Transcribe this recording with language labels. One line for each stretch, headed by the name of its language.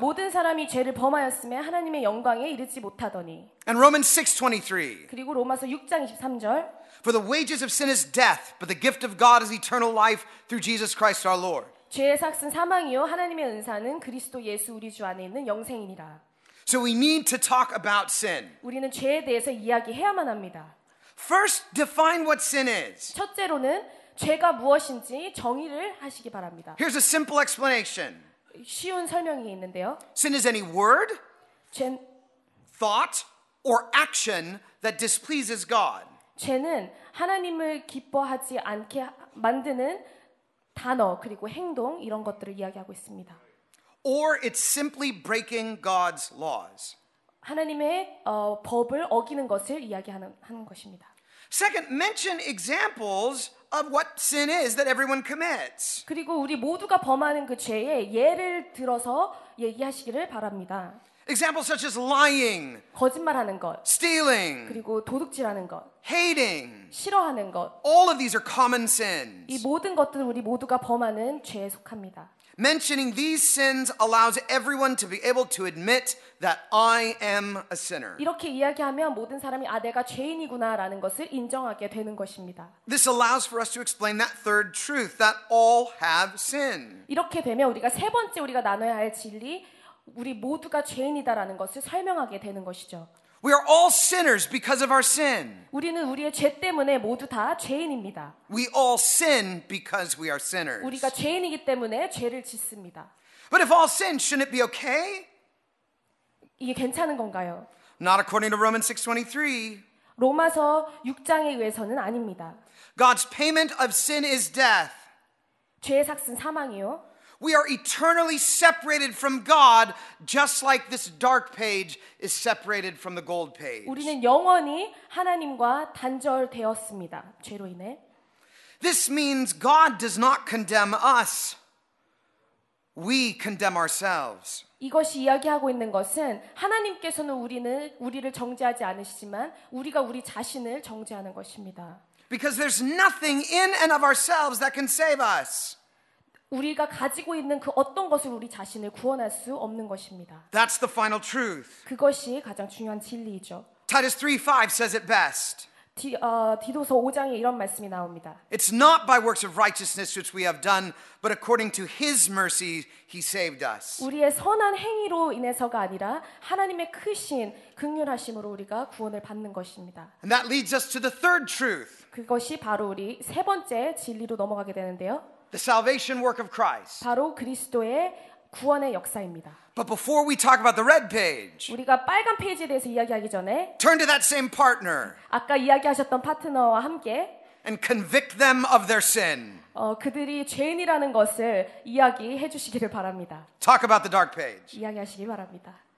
Korean: 모든 사람이 죄를 범하였음에 하나님의 영광에 이르지 못하더니.
English: And Romans 6:23.
Korean: 그리고 로마서 6장 23절.
English: For the wages of sin is death, but the gift of God is eternal life through Jesus Christ our Lord.
Korean: 죄의 삯은 사망이요 하나님의 은사는 그리스도 예수 우리 주 안에 있는 영생이니라.
English: So we need to talk about sin.
Korean: 우리는 죄에 대해서 이야기해야만 합니다.
English: First, define what sin is.
Korean: 첫째로는 죄가 무엇인지 정의를 하시기 바랍니다.
English: Here's a simple explanation.
Korean: 쉬운 설명이 있는데요.
English: Sin is any word,
Korean: 죄...
English: thought, or action that displeases God.
Korean: 죄는 하나님을 기뻐하지 않게 만드는 단어 그리고 행동 이런 것들을 이야기하고 있습니다.
English: Or it's simply breaking God's laws.
Korean: 하나님의 법을 어기는 것을 이야기하는 것입니다.
English: Second, mention examples of what sin is that everyone commits.
Korean: 그리고 우리 모두가 범하는 그 죄에 예를 들어서 얘기하시기를 바랍니다.
English: Examples such as lying,
Korean: 거짓말하는 것,
English: stealing,
Korean: 그리고 도둑질하는 것,
English: hating,
Korean: 싫어하는 것.
English: All of these are common sins.
Korean: 이 모든 것들은 우리 모두가 범하는 죄에 속합니다.
English: Mentioning these sins allows everyone to be able to admit that I am a sinner.
Korean: 이렇게 이야기하면 모든 사람이 아 내가 죄인이구나라는 것을 인정하게 되는 것입니다.
English: This allows for us to explain that third truth that all have sinned.
Korean: 이렇게 되면 우리가 세 번째 우리가 나눠야 할 진리 우리 모두가 죄인이다라는 것을 설명하게 되는 것이죠.
English: We are all sinners because of our sin.
Korean: 우리는 우리의 죄 때문에 모두 다 죄인입니다.
English: We all sin because we are sinners.
Korean: 우리가 죄인이기 때문에 죄를 짓습니다.
English: But if all sin, shouldn't it be okay?
Korean: 이게 괜찮은 건가요?
English: Not according to Romans 6:23.
Korean: 로마서 6장에 의해서는 아닙니다.
English: God's payment of sin is death.
Korean: 죄의 삯은 사망이요.
English: We are eternally separated from God just like this dark page is separated from the gold page.
Korean: 우리는 영원히 하나님과 단절되었습니다. 죄로 인해.
English: This means God does not condemn us. We condemn ourselves.
Korean: 이것이 이야기하고 있는 것은 하나님께서는 우리는 우리를 정죄하지 않으시지만 우리가 우리 자신을 정죄하는 것입니다.
English: Because there's nothing in and of ourselves that can save us.
Korean: 우리가 가지고 있는 그 어떤 것을 우리 자신을 구원할 수 없는 것입니다.
English: That's the final truth.
Korean: 그것이 가장 중요한 진리이죠.
English: Titus 3:5 says it best.
Korean: 디도서 5장에 이런 말씀이 나옵니다.
English: It's not by works of righteousness which we have done, but according to his mercy he saved us.
Korean: 우리의 선한 행위로 인해서가 아니라 하나님의 크신 긍휼하심으로 우리가 구원을 받는 것입니다.
English: And that leads us to the third truth.
Korean: 그것이 바로 우리 세 번째 진리로 넘어가게 되는데요.
English: The salvation work of Christ.
Korean: 바로 그리스도의 구원의 역사입니다.
English: But before we talk about the red page,
Korean: 우리가 빨간 페이지에 대해서 이야기하기 전에,
English: turn to that same partner.
Korean: 아까 이야기하셨던 파트너와 함께,
English: and convict them of their sin.
Korean: 그들이 죄인이라는 것을 이야기해 주시기를 바랍니다.
English: Talk about the dark page.
Korean: 이야기하시기 바랍니다.